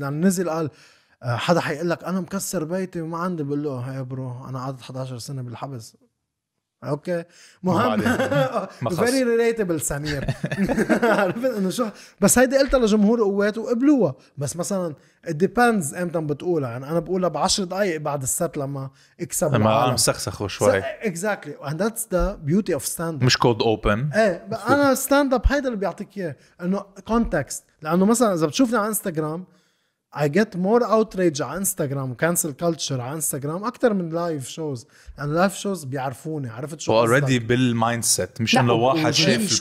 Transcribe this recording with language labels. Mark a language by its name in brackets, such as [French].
[Arabic] يعني نزل قال حدا حيقلك انا مكسر بيتي وما عندي، بقول له يا برو انا قعدت 11 سنة بالحبس. اوكي مهم [English] very relatable [Arabic] سمير. عرفت انه شو، بس هيدي قلتها لجمهور قوات وقبلوها. بس مثلا [English] it depends [Arabic] امتى بتقولها. يعني انا بقولها بعشر دقايق بعد السات لما اكسب العالم، لما مسخسخوا شوي. [English] Exactly. And that's the beauty of stand-up. [Arabic] مش [English] cold open. [Arabic] ايه انا stand-up هيدا اللي بيعطيك اياه، انه context. لانه مثلا اذا بتشوفني على انستغرام [English] I get more outrage [Arabic] على انستغرام وكانسل كلتشر على انستغرام اكثر من لايف شوز، لان لايف شوز بيعرفوني. عرفت شو اوريدي بالمايند سيت، مش انه واحد شايف